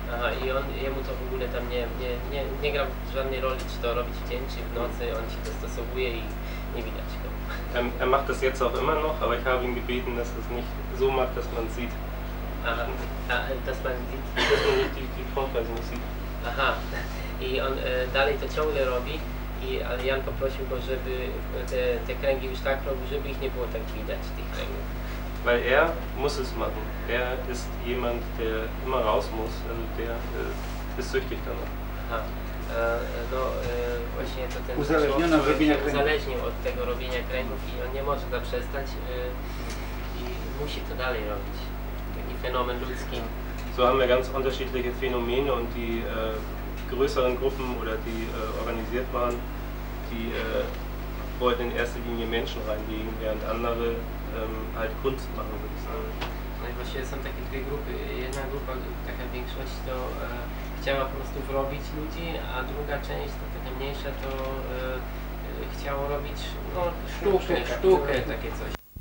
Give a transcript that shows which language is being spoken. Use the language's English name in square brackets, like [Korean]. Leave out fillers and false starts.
[Polish] Aha, i on, jemu to w ogóle tam nie gra żadnej roli, czy to robić w dzień, czy w nocy, on się dostosowuje i nie widać go. [German] Er macht das jetzt auch immer noch, aber ich habe ihn gebeten, dass es nicht so macht, dass man sieht. Aha, dass man sieht. Dass man die Vorweisung sieht. [Polish] Aha, i on dalej to ciągle robi, ale Jan poprosił go, żeby te kręgi już tak robił, żeby ich nie było tak widać, tych kręgów. [German] Weil muss es machen. Ist jemand, der immer raus muss, also der ist süchtig danach. [Polish] Aha, no właśnie to ten człowiek uzależnił od tego robienia kręgów i on nie może zaprzestać i musi to dalej robić. Taki fenomen ludzki. [German] So haben wir ganz unterschiedliche Phänomene und die größeren Gruppen oder die organisiert waren, die wollten in erster Linie Menschen reinlegen, während andere halt Kunst machen, würde ich sagen. [Polish] No i właśnie są takie dwie grupy. Jedna grupa, taka większość, to chciała po prostu wrobić ludzi, a druga część, to taka mniejsza, to chciało robić no, sztukę, takie coś.